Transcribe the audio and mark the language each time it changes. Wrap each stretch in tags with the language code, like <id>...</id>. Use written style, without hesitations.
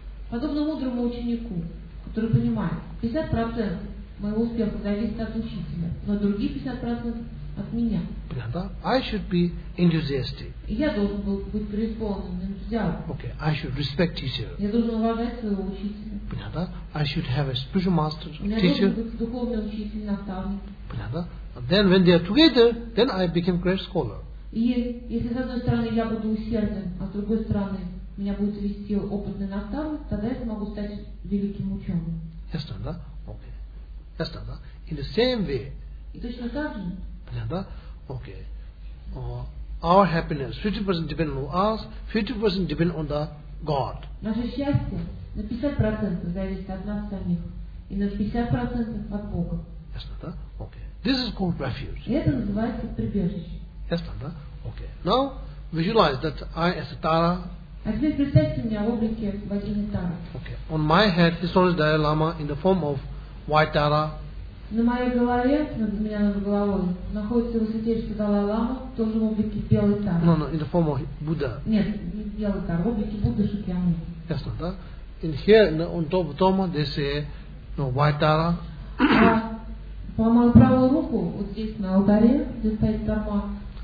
<ru>Подобно мудрому ученику, который понимает, 50% моего успеха зависит от учителя, но другие 50% от меня.</ru> <en>Yeah,</en> <ru>да?</ru> <en>I should be enthusiastic.</en> <ru>Я должен был быть преисполненным энтузиазмом.</ru> <en>Okay. I should respect teacher.</en> <ru>Я должен уважать своего учителя. Понятно?</ru> <en>I should have a spiritual master, teacher.</en> <ru>Духовный учитель, наставник. Понятно?</ru> <en>Then when they are together, then I become great scholar.</en> <ru>И если с одной стороны я буду усерден, а с другой стороны меня будет вести опытный наставник, тогда я смогу стать великим ученым. Ясно, да?</ru> <en>Okay. Ясно, да? In the same way.</en> <ru>И точно так же. Понятно? Okay.</ru> <en>Our happiness, 50% depends on us, 50% depends on the God.</en> <ru>Наше счастье на 50% зависит от нас самих и на 50% от Бога. Ясно, да?</ru> <en>Okay. This is called refuge.</en> <ru>И это называется прибежище. Ясно, да?</ru> <en>Okay. Now visualize that I as a Tara.</en> <ru>А теперь представьте меня в облике Вадима Тара.</ru> <en>Okay. On my head, his Holiness Dalai Lama in the form of white Tara.</en> <ru>На моей голове, над меня над головой, находится Высочайший Далай Лама, тоже в облике белой Тары.</ru> <en>No, in the form of Buddha.</en> <ru>Нет, не белый Тара, в облике Будды Шакьямуни. Ясно, да?</ru> <en>In here, on top of Toma, they say, white Tara.</en> <ru>По мою правую руку, вот здесь на алтаре, здесь стоит Тома,</ru>